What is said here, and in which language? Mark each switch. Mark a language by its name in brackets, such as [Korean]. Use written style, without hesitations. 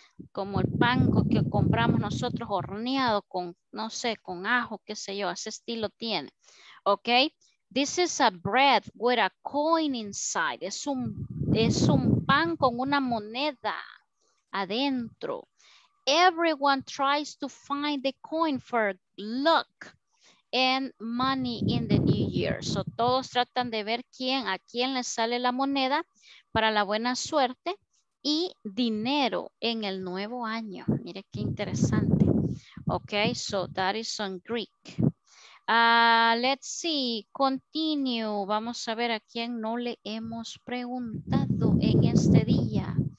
[Spanish] Como el pan que compramos nosotros horneado con, no sé, con ajo, qué sé yo, ese estilo tiene. [English] Ok, this is a bread with a coin inside. [Spanish] Es un pan con una moneda adentro. [English] Everyone tries to find the coin for luck and money in the new year. [Spanish] So todos tratan de ver quién, a quién le sale la moneda para la buena suerte y dinero en el nuevo año. Mire qué interesante. [English] Ok, so that is on Greek. Let's see, continue. [Spanish] Vamos a ver a quién no le hemos preguntado en este día.